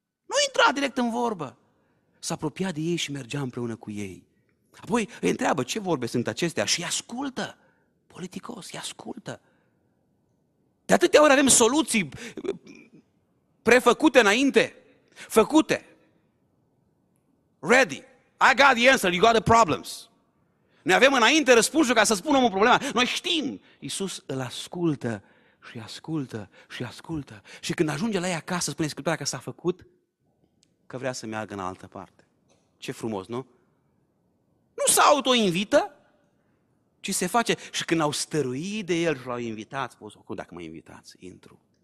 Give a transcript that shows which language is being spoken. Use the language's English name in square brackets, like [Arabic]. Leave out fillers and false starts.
[Romanian] Nu intra direct în vorbă. S-apropia de ei și mergea împreună cu ei. Apoi îi întreabă ce vorbe sunt acestea și îi ascultă. Politicos, îi ascultă. De atâtea ori avem soluții prefăcute înainte, făcute. [English] Ready. I got the answer, you got the problems. [Romanian] Noi avem înainte răspunsul ca să spunem o problemă. Noi știm. Iisus îl ascultă și ascultă și ascultă. Și când ajunge la ea acasă, spune Scriptura că s-a făcut, că vrea să meargă în altă parte. Ce frumos, nu? Nu se auto-invită, ci se face. Și când au stăruit de el și l-au invitat, spus, acum dacă mă invitați, intru.